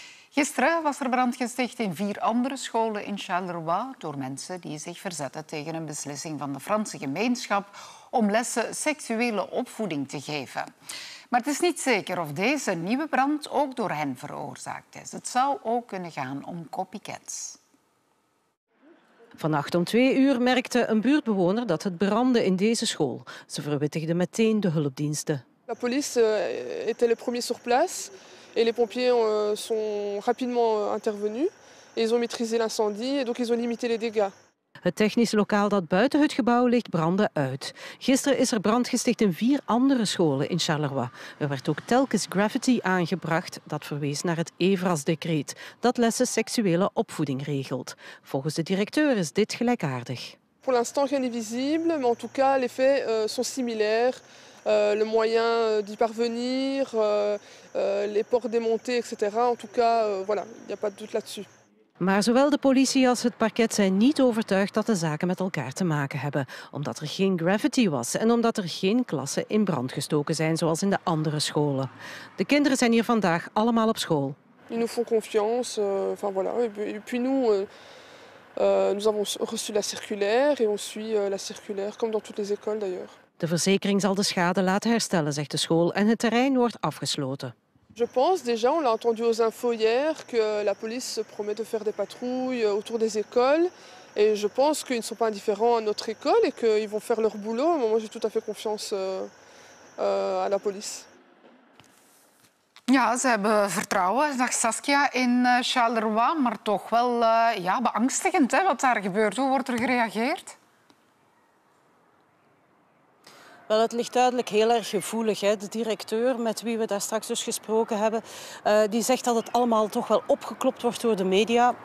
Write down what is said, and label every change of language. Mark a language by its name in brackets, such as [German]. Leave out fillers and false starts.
[Dutch] Gisteren was er brand gesticht in 4 andere scholen in Charleroi door mensen die zich verzetten tegen een beslissing van de Franse gemeenschap om lessen seksuele opvoeding te geven. Maar het is niet zeker of deze nieuwe brand ook door hen veroorzaakt is. Het zou ook kunnen gaan om copycats. Vannacht om 2 uur merkte een buurtbewoner dat het brandde in deze school. Ze verwittigde meteen de hulpdiensten. [French] La police était le premier sur place. Et les pompiers sont rapidement intervenus et ils ont maîtrisé l'incendie et donc ils ont limité les dégâts. [Dutch] Het technisch lokaal dat buiten het gebouw ligt brandde uit. Gisteren is er brand gesticht in 4 andere scholen in Charleroi. Er werd ook telkens graffiti aangebracht dat verwees naar het Evras-decreet dat lessen seksuele opvoeding regelt. Volgens de directeur is dit gelijkaardig. [French] Pour l'instant rien n'est visible, mais en tout cas les faits sont similaires. Le moyen d'y parvenir, les portes démontées, etc. En tout cas, voilà, il n'y a pas de doute là-dessus. [Dutch] Maar zowel de politie als het parket zijn niet overtuigd dat de zaken met elkaar te maken hebben, omdat er geen graffiti was en omdat er geen klassen in brand gestoken zijn zoals in de andere scholen. De kinderen zijn hier vandaag allemaal op school. [French] Ils nous font confiance, enfin voilà. Et puis nous, nous avons reçu la circulaire et on suit la circulaire comme dans toutes les écoles d'ailleurs. [Dutch] De verzekering zal de schade laten herstellen, zegt de school, en het terrein wordt afgesloten. [French] Je pense déjà, on l'a entendu aux infos hier, que la police se promet de faire des patrouilles autour des écoles. Et je pense qu'ils ne sont pas indifférents à notre école et qu'ils vont faire leur boulot. Moi, j'ai tout à fait confiance à la police. [Dutch] Ja, ze hebben vertrouwen, zegt Saskia, in Charleroi. Maar toch wel beangstigend, hè, wat daar gebeurt. Hoe wordt er gereageerd? Wel, het ligt duidelijk heel erg gevoelig. Hè. De directeur met wie we daar straks dus gesproken hebben, die zegt dat het allemaal toch wel opgeklopt wordt door de media.